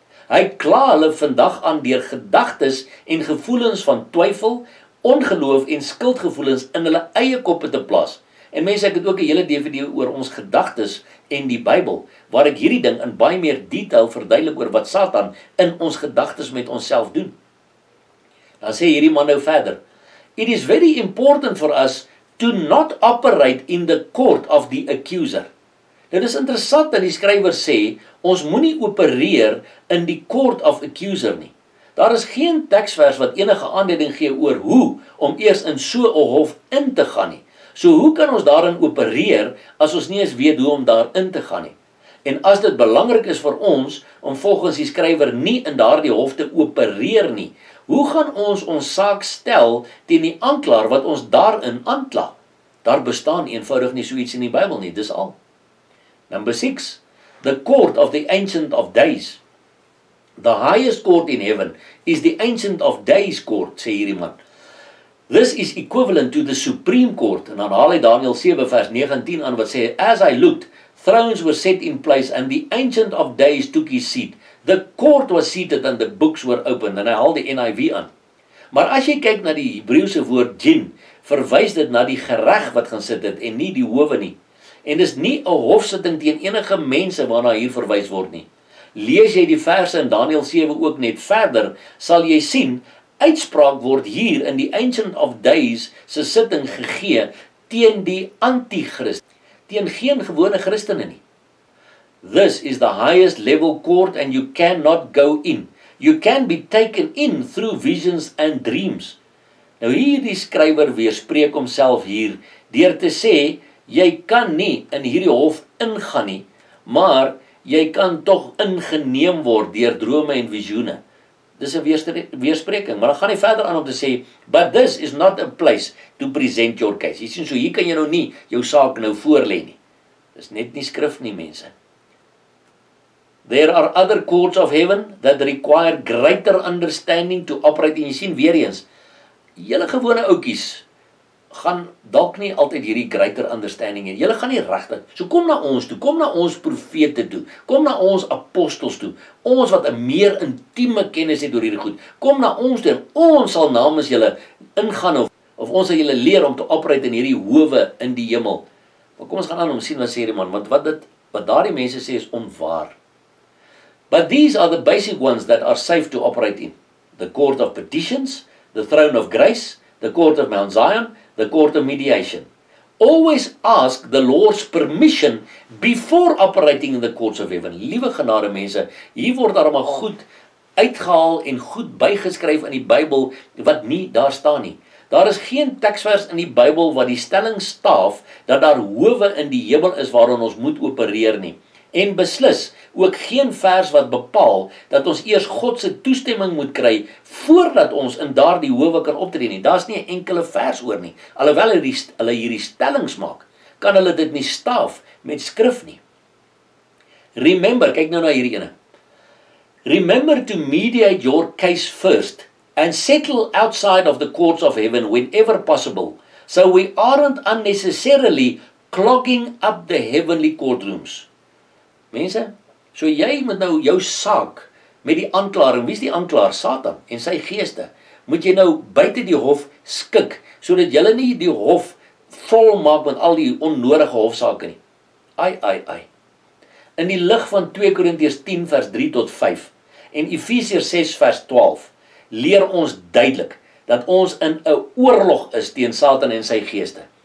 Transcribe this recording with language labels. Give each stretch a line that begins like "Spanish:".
Afrikaans: Hy kla hulle vandag aan deur gedagtes en gevoelens van twyfel, ongeloof en skuldgevoelens in hulle eie koppe te plas. En mense, ek het ook 'n hele DVD oor ons gedagtes en die Bybel, waar ek hierdie ding in baie meer detail verduidelik oor wat Satan in ons gedagtes met onsself doen. Dan sê hierdie man nou verder,
English: it is very important for us to not operate in the court of the accuser.
Afrikaans: Dit is interessant dat die skrywer sê, ons moenie opereer in die
English: court of accuser
Afrikaans: nie. Daar is geen teksvers wat enige aanduiding gee oor hoe om eers in so 'n hof in te gaan nie. So hoe kan ons daarin opereer as ons nie eens weet hoe om daar in te gaan nie? En as dit belangrik is vir ons om volgens die skrywer nie in daardie hof te opereer nie, hoe gaan ons ons saak stel teen die aanklaer wat ons daarin aankla? Daar bestaan eenvoudig nie so iets in die Bybel nie, dis al.
English: Number 6, the court of the Ancient of Days. The highest court in heaven is the Ancient of Days court,
Afrikaans: sê hierdie man.
English: This is equivalent to the Supreme Court.
Afrikaans: En dan haal hy Daniel 7 vers 9 en 10 aan wat sê,
English: as I looked, thrones were set in place and the Ancient of Days took his seat. The court was seated and the books were opened.
Afrikaans: En hy haal die NIV aan. Maar as jy kyk na die Hebreeuse woord din, verwys dit na die gereg wat gaan sit het en nie die howe nie. En dis nie 'n hofsitting teen enige mense waarna hier verwys word nie. Lees jy die verse in Daniël 7 ook net verder, sal jy sien, uitspraak word hier in die Ancient of Days se sitting gegee teen die anti-Christ, teen geen gewone Christene nie.
English: This is the highest level court and you cannot go in. You can be taken in through visions and dreams.
Afrikaans: Nou hierdie skrywer weerspreek homself hier deur te sê, jy kan nie in hierdie hof ingaan nie, maar jy kan tog ingeneem word deur drome en visioene. Dis 'n weerspreking, maar dan gaan hy verder aan om te sê,
English: but this is not a place to present your case.
Afrikaans: Jy sien, so hier kan jy nou nie jou saak nou voorlê nie. Dis net nie skrif nie, mense.
English: There are other courts of heaven that require greater understanding to operate.
Afrikaans: En jy sien weer eens, julle gewone oudjies gaan dalk nie altyd hierdie
English: greater understanding
Afrikaans: en julle gaan nie regtig. So kom na ons toe, kom na ons profete toe, kom na ons apostels toe, ons wat 'n meer intieme kennis het oor hierdie goed, kom na ons toe, ons sal namens julle ingaan of ons sal julle leer om te operate in hierdie howe in die hemel. Maar kom ons gaan aan om sien wat sê die man, want wat daardie mense sê is onwaar.
English: But these are the basic ones that are safe to operate in. The court of petitions, the throne of grace, the court of Mount Zion, the court of mediation. Always ask the Lord's permission before operating in the courts of heaven.
Afrikaans: Liewe genade mense, hier word daar maar goed uitgehaal en goed bygeskryf in die Bybel wat nie daar staan nie. Daar is geen teksvers in die Bybel wat die stelling staaf dat daar howe in die hemel is waarin ons moet opereer nie. En beslis, ook geen vers wat bepaal, dat ons eers God se toestemming moet kry, voordat ons in daardie howe kan optree nie. Daar is nie enkele vers oor nie. Alhoewel hulle hierdie stellings maak, kan hulle dit nie staaf met skrif nie. Remember, kyk nou na hierdie ene.
English: Remember to mediate your case first, and settle outside of the courts of heaven whenever possible, so we aren't unnecessarily clogging up the heavenly courtrooms.
Afrikaans: Mense, so jy moet nou jou saak met die aanklaer, wie is die aanklaer? Satan en sy geeste, moet jy nou buiten die hof skik, sodat jy nie die hof vol maak met al die onnodige hofsaake nie. Ai, ai, ai. In die lig van 2 Korintiërs 10 vers 3 tot 5 en Efesiërs 6 vers 12 leer ons duidelik dat ons in 'n oorlog is teen Satan en sy geeste.